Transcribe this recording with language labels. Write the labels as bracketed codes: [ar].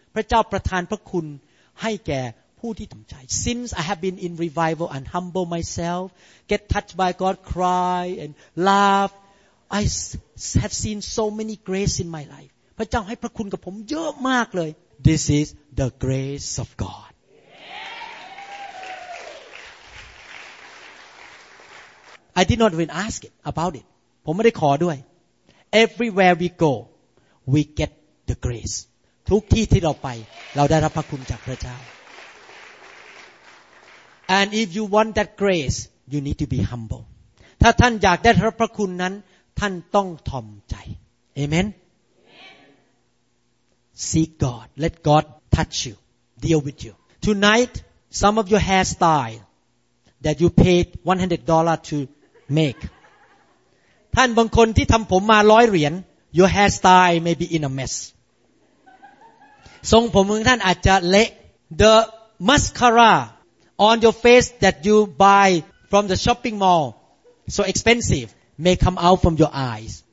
[th] พระเจ้าประทานพระคุณให้แก่ผู้ที่ถ่อมใจ [en] Since I have been in revival and humble myself, get touched by God, cry and laughugh. I have seen so many grace in my life. [th] พระเจ้าให้พระคุณกับผมเยอะมากเลย [en] This is the grace of God. I did not even ask it about it. [th] ผมไม่ได้ขอด้วย [en] Everywhere we go, we get the grace. [th] ทุกที่ที่เราไปเราได้รับพระคุณจากพระเจ้า [en] And if you want that grace, you need to be humble. [th] ถ้าท่านอยากได้รับพระคุณนั้นท่านต้องถ่อมใจ Amen? [en] Amen. Seek God. Let God touch you. Deal with you. Tonight, some of your hairstyle that you paid $100 to. Make. [th] ท่านบางคนที่ทำผมมาร้อยเหรียญ [en] Your hairstyle may be in a mess. [th] ทรงผมของท่านอาจจะเละ [en] The mascara on your face that you buy from the shopping mall so expensive may come out from your eyes.